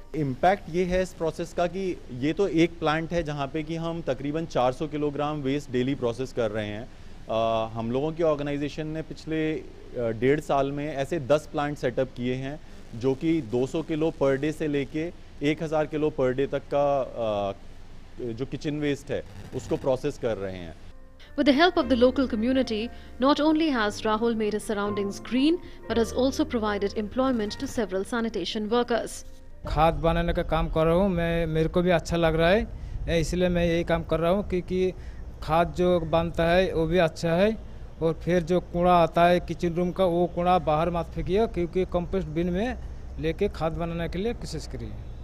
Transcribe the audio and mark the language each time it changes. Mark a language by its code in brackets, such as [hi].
[hi] Impact ये है इस प्रोसेस का कि ये तो एक प्लांट है जहाँ पे कि हम तकरीबन 400 किलोग्राम वेस्ट डेली प्रोसेस कर रहे हैं हम लोगों की ऑर्गेनाइजेशन ने पिछले डेढ़ साल में ऐसे 10 प्लांट सेटअप किए हैं जो कि 200 किलो पर डे से लेके 1000 किलो पर डे तक का जो किचन वेस्ट है उसको प्रोसेस कर रहे हैं [en] With the help of the local community, not only has Rahul made his surroundings green, but has also provided employment to several sanitation workers. [hi] खाद बनाने का काम कर रहा हूँ मैं मेरे को भी अच्छा लग रहा है इसलिए मैं यही काम कर रहा हूँ क्योंकि खाद जो बनता है वो भी अच्छा है और फिर जो कूड़ा आता है किचन रूम का वो कूड़ा बाहर मत फेंकिए क्योंकि कंपोस्ट बिन में लेके खाद बनाने के लिए कोशिश करिए